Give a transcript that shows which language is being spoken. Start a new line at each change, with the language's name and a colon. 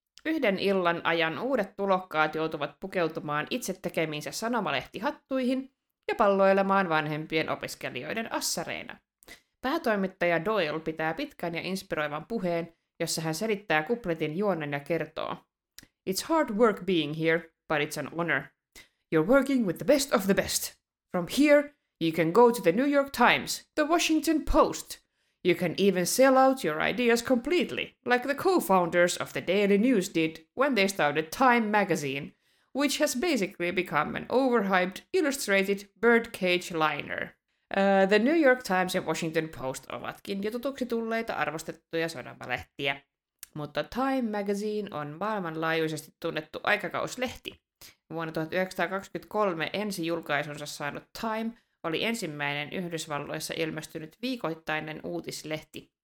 Finnish: Yhden illan ajan uudet tulokkaat joutuvat pukeutumaan itse tekemiinsä sanomalehtihattuihin ja palloilemaan vanhempien opiskelijoiden assareina. Päätoimittaja Doyle pitää pitkän ja inspiroivan puheen, jossa hän selittää kupletin juonen ja kertoo.
English: It's hard work being here, but it's an honor. You're working with the best of the best. From here, you can go to the New York Times, the Washington Post. You can even sell out your ideas completely, like the co-founders of the Daily News did when they started Time magazine, which has basically become an overhyped, illustrated birdcage liner.
Finnish: The New York Times ja Washington Post ovatkin jo tutuksi tulleita arvostettuja sanomalehtiä. Mutta Time magazine on maailmanlaajuisesti tunnettu aikakauslehti. Vuonna 1923 ensi julkaisunsa saanut Time oli ensimmäinen Yhdysvalloissa ilmestynyt viikoittainen uutislehti.